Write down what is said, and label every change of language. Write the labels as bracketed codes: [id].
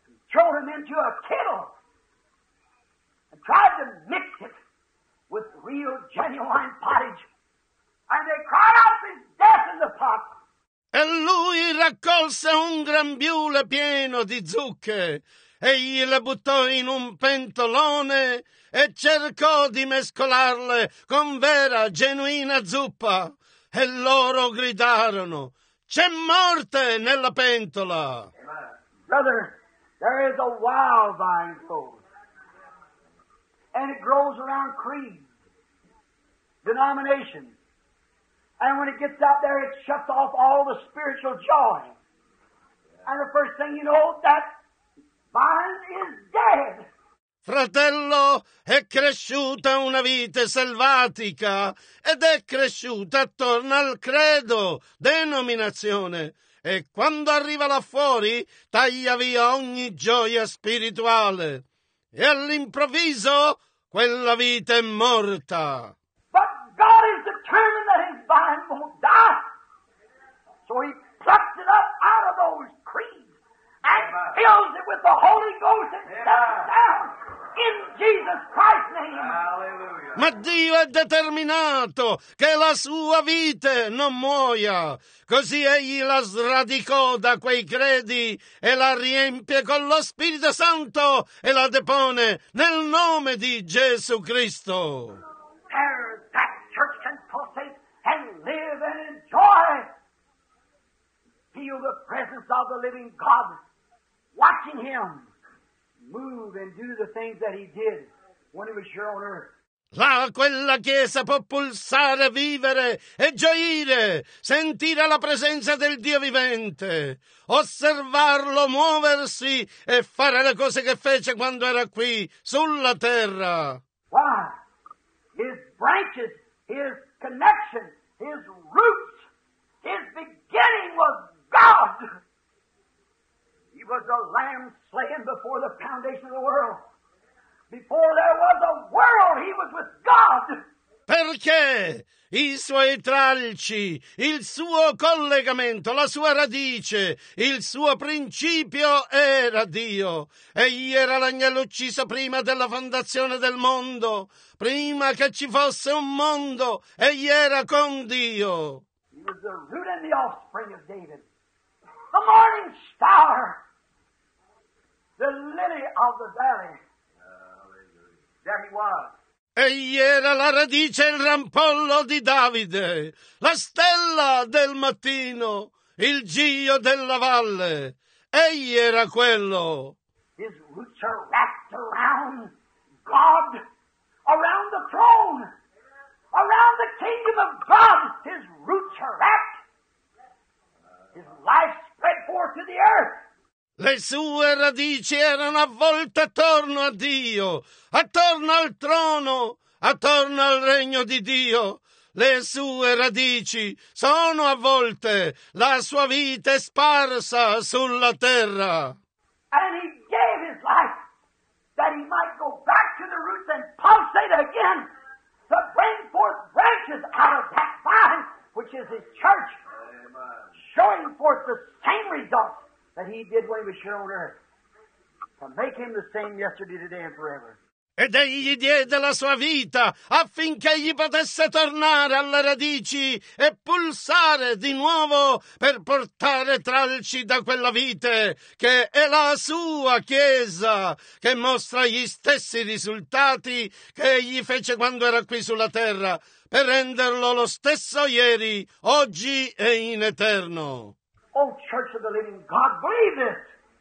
[en] Thrown him into a kettle and tried to mix it with real genuine pottage, and they cried out his death in the pot. [it] E lui raccolse un grembiule pieno di zucche e gliele buttò in un pentolone e cercò di mescolarle con vera genuina zuppa, e loro gridarono: c'è morte nella pentola. [en] Brother, there is a wild vine grows, and it grows around creeds, denominations, and when it gets out there, it shuts off all the spiritual joy, and the first thing you know, that vine is dead. [it] Fratello, è cresciuta una vite selvatica ed è cresciuta attorno al credo, denominazione. E quando arriva là fuori, taglia via ogni gioia spirituale. E all'improvviso, quella vite è morta. [en] But God is determined that his vine won't die. So he plucks it up out of those creeds and fills it with the Holy Ghost and steps down. In Jesus Christ's name. Hallelujah. [it] Ma Dio è determinato che la sua vite non muoia. Così egli la sradicò da quei credi e la riempie con lo Spirito Santo e la depone nel nome di Gesù Cristo. [en] There that church can pulsate and live and enjoy. Feel the presence of the living God watching him. Move and do the things that he did when he was here on earth. [it] Là, quella chiesa può pulsare, vivere e gioire, sentire la presenza del Dio vivente, osservarlo muoversi e fare le cose che fece quando era qui sulla terra. [en] Why? His branches, his connection, his roots, his beginning was God. Was a lamb slain before the foundation of the world. Before there was a world, he was with God. [it] Perché i suoi tralci, il suo collegamento, la sua radice, il suo principio era Dio. Egli era l'agnello ucciso prima della fondazione del mondo. Prima che ci fosse un mondo, egli era con Dio. [en] He was the root and the offspring of David. The morning star. The lily of the valley. There he was. [it] Egli era la radice e il rampollo di Davide, la stella del mattino, il giglio della valle. Egli era quello. [en] His roots are wrapped around God, around the throne, around the kingdom of God. His roots are wrapped. His life spread forth to the earth. [it] Le sue radici erano avvolte attorno a Dio, attorno al trono, attorno al regno di Dio. Le sue radici sono avvolte, la sua vita è sparsa sulla terra. [en] And he gave his life that he might go back to the roots and pulsate again to bring forth branches out of that vine, which is his church. Amen. Showing forth the same results that he did when he was here on earth, to make him the same yesterday, today, and forever. [it] Ed egli diede la sua vita affinché egli potesse tornare alle radici e pulsare di nuovo per portare tralci da quella vite che è la sua chiesa, che mostra gli stessi risultati che egli fece quando era qui sulla terra, per renderlo lo stesso ieri, oggi e in eterno. [en] Oh, Church of the Living God, believe it!